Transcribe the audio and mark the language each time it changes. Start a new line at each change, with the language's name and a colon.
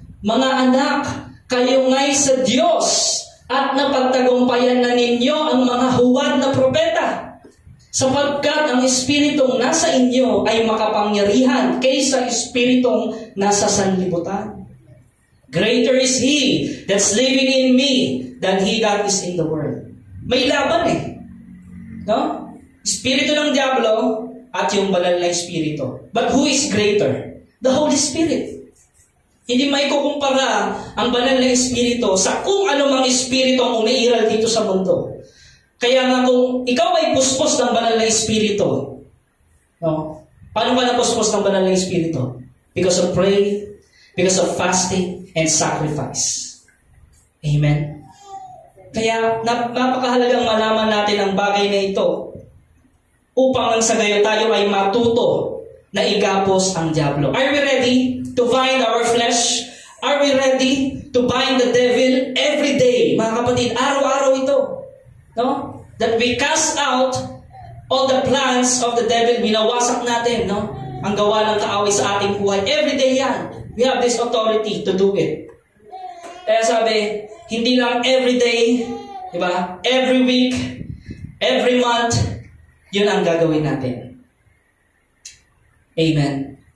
Filipino: Mga anak, kayo ngay sa Diyos at napagtagumpayan na ninyo ang mga huwad na propeta. Sapagkat ang Espiritong nasa inyo ay makapangyarihan kaysa Espiritong nasa sanlibutan.
English: Greater is He that's living in me than He that is in the world.
Filipino: May laban eh. No? Espiritu ng Diablo at yung banal na Espiritu.
English: But who is greater? The Holy Spirit.
Filipino: Hindi may kukumpara ang banal na Espiritu sa kung anumang Espiritu ang umiiral dito sa mundo. Kaya nga kung ikaw ay puspos ng banal na Espiritu, no? Paano ka na puspos ng banal na Espiritu?
English: Because of prayer, because of fasting, and sacrifice. Amen?
Filipino: Kaya napakahalagang malaman natin ang bagay na ito upang lang sa gayo tayo ay matuto na igapos ang Diablo.
English: Are we ready to bind our flesh? Are we ready to bind the devil every day?
Filipino: Mga kapatid, araw-araw ito. No?
English: That we cast out all the plans of the devil.
Filipino: Binawasak natin, no? Ang gawa ng kaaway sa ating buhay.
English: Every day yan. We have this authority to do it.
Filipino: Kaya sabi, hindi lang every day, di ba?
English: Every week, every month,
Filipino: yun ang gagawin natin. Amen.